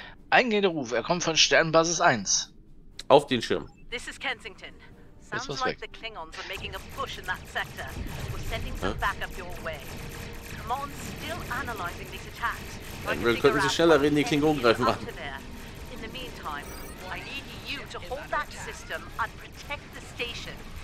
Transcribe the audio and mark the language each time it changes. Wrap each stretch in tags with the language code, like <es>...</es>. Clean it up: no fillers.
<de>Eingehende Ruf, er kommt von Sternbasis 1. Auf den Schirm.</de> <en>This is Kensington. Sounds like weg. The Klingons are making a push in that sector. We're sending some backup your way. Mons still analyzing these attacks.</en> <de>Admiral, könnten Sie schneller reden, die Klingonen greifen an.</de> <en>In the meantime, I need you to hold that system and protect the station.</en>